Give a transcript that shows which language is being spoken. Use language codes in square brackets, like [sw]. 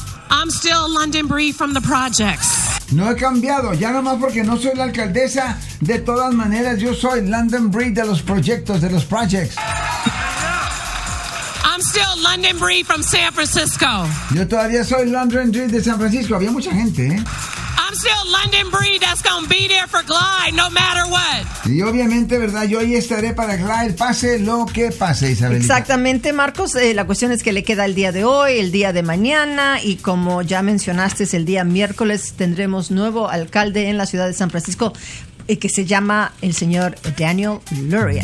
[en] I'm still London Bree from the projects. [es] No he cambiado, ya nomás porque no soy la alcaldesa. De todas maneras, yo soy London Bree de los proyectos, de los projects. [en] I'm still London Bree from San Francisco. [es] Yo todavía soy London Bree de San Francisco. Había mucha gente, [en] I'm still London Bree that's gonna be there for Glide, no matter what. [es] Y obviamente, ¿verdad? Yo ahí estaré para Glide, pase lo que pase, Isabel. Exactamente, Marcos. La cuestión es que le queda el día de hoy, el día de mañana, y como ya mencionaste, es el día miércoles, tendremos nuevo alcalde en la ciudad de San Francisco, y que se llama el señor Daniel Luria.